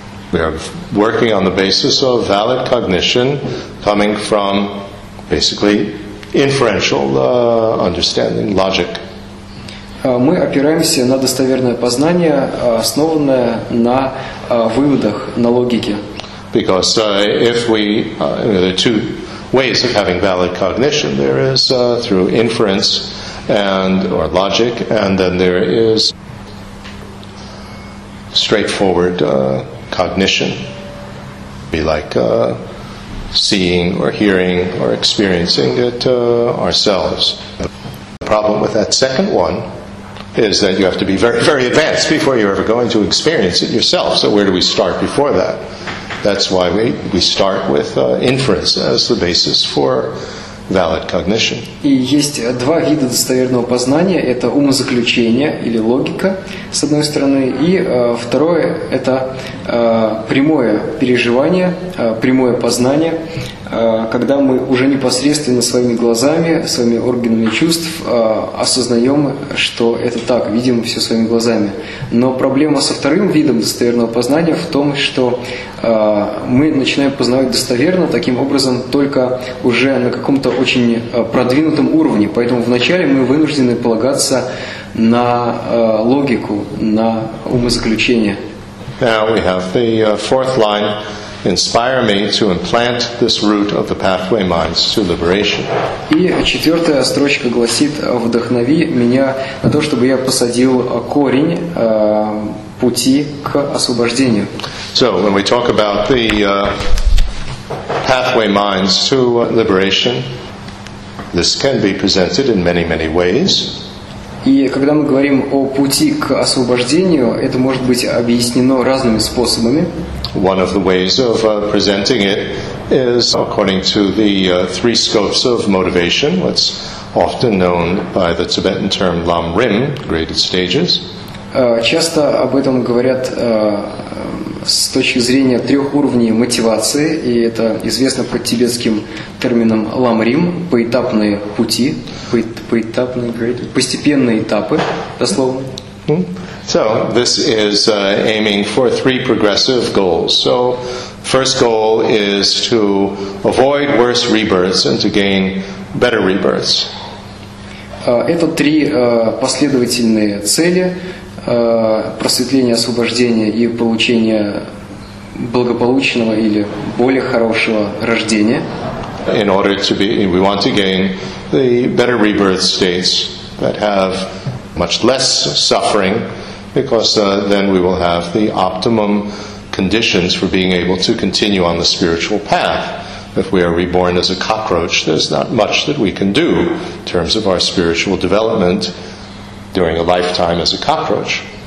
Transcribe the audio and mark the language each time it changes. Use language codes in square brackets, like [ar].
[en] We are working on the basis of valid cognition coming from basically inferential understanding, logic. [ru] Мы опираемся на достоверное познание, основанное на выводах, на логике. [en] Because if we, there are two ways of having valid cognition. There is through inference and or logic, and then there is straightforward cognition, be like seeing or hearing or experiencing it ourselves. The problem with that second one is that you have to be very, very advanced before you're ever going to experience it yourself. So where do we start before that? That's why we start with inference as the basis for valid cognition. [ru] И есть два вида достоверного познания. Это умозаключение или логика, с одной стороны. И второе – это прямое переживание, прямое познание, когда мы уже непосредственно своими глазами, своими органами чувств осознаем, что это так, видим все своими глазами. Но проблема со вторым видом достоверного познания в том, что мы начинаем познавать достоверно таким образом только уже на каком-то очень продвинутом уровне. Поэтому вначале мы вынуждены полагаться на логику, на умозаключение. [en] Now we have the fourth line. Inspire me to implant this root of the pathway minds to liberation. [ru] И четвертая строчка гласит: вдохнови меня на то, чтобы я посадил корень пути к освобождению. [en] So when we talk about the pathway minds to liberation, this can be presented in many, many ways. [ru] И когда мы говорим о пути к освобождению, это может быть объяснено разными способами. [en] One of the ways of presenting it is according to the three scopes of motivation, what's often known by the Tibetan term lam rim, graded stages. [ru] Часто об этом говорят с точки зрения трех уровней мотивации, и это известно под тибетским термином лам рим, поэтапные пути, поэтапные graded, постепенные этапы, дословно. [en] So this is aiming for three progressive goals. So first goal is to avoid worse rebirths and to gain better rebirths. [ru] Это три последовательные цели: просветление, освобождение и получение благополучного или более хорошего рождения. [en] In order to be, we want to gain the better rebirth states that have much less suffering, because then we will have the optimum conditions for being able to continue on the spiritual path. If we are reborn as a cockroach, there's not much that we can do in terms of our spiritual development during a lifetime as a cockroach.